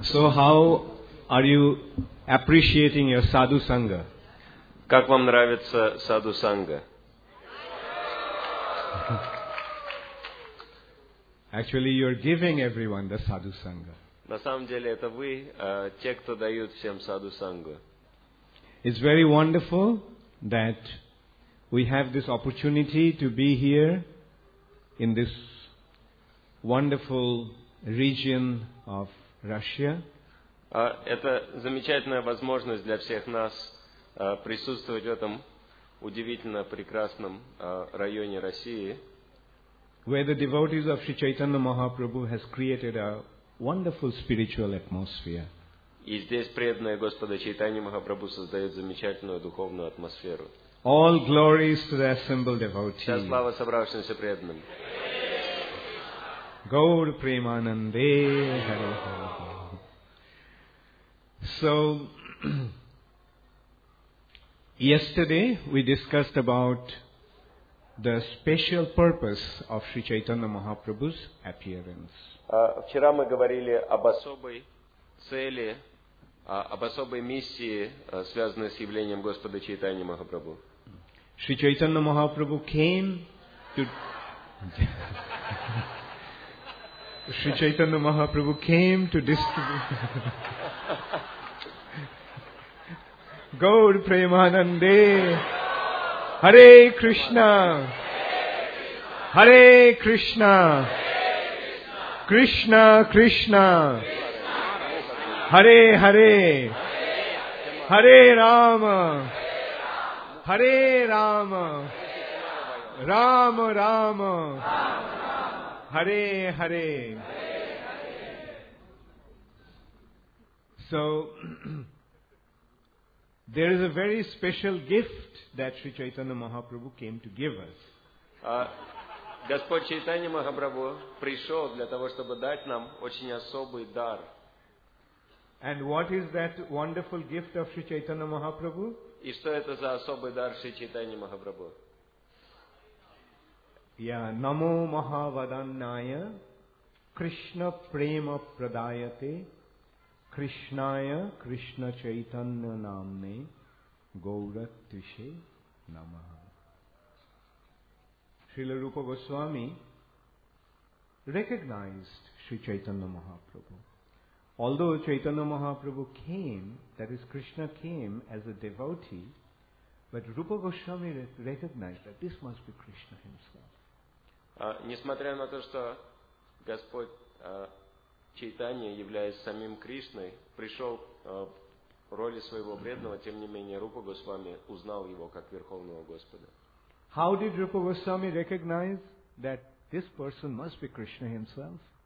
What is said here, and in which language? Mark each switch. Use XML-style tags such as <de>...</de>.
<en>So how are you appreciating your sadhu sangha?</en> <ru>Как вам нравится саду санга?</ru> <en>Actually, you're giving everyone the sadhu sangha.</en> <ru>На самом деле это вы те, кто дают всем саду сангу.</ru> <en>It's very wonderful that we have this opportunity to be here in this wonderful region of Russia.</en> <ru>Это замечательная возможность для всех нас присутствовать в этом удивительно прекрасном районе России.</ru> <en>Where the devotees of Sri Chaitanya Mahaprabhu has created a wonderful spiritual atmosphere.</en> <ru>И здесь преданные Господа Чайтанья Махапрабху создают замечательную духовную атмосферу.</ru> <en>All glories to the assembled devotees.</en> <ru>Вся слава собравшимся преданным.</ru> <bn>Гоур Преманандэ.</bn> <en>So, yesterday we discussed about the special purpose of Sri Chaitanya Mahaprabhu's appearance.</en> <ru>Вчера мы говорили об особой цели, об особой миссии, связанной с явлением Господа Чайтаньи Махапрабху.</ru> <en>Шри Чайтанья Махапрабху came to Шри Чайтанья Махапрабху came to distribute Гоур Премананде.</en> <sa>Харе Кришна. Харе Кришна. Кришна Кришна. Харе Харе. Харе Рама. Харе Рама. Рама Рама. Харе Харе.</sa> <en>So there is a very special gift that Sri Chaitanya Mahaprabhu came to give us.</en> <ru>Господь Чайтанья Махапрабху пришел для того, чтобы дать нам очень особый дар.</ru> <en>And what is that wonderful gift of Sri Chaitanya Mahaprabhu?</en> <ru>И что это за особый дар Шри Чайтанья Махапрабху?</ru> <sa>Yeah, Namo Mahavadannaya Krishna Prema Pradayate Krishnaya Krishna Chaitanya Namne Gauratvishe Namaha.</sa> <en>Srila Rupa Goswami recognized Sri Chaitanya Mahaprabhu. Although Chaitanya Mahaprabhu came, that is Krishna came as a devotee, but Rupa Goswami recognized that this must be Krishna himself.</en> <ru>Несмотря на то, что Господь Чайтанья, являясь самим Кришной, пришел в роли своего преданного, тем не менее Рупа Госвами узнал его как Верховного Господа.</ru> <en>How did Rupa Goswami recognize that this person must be Krishna himself?</en>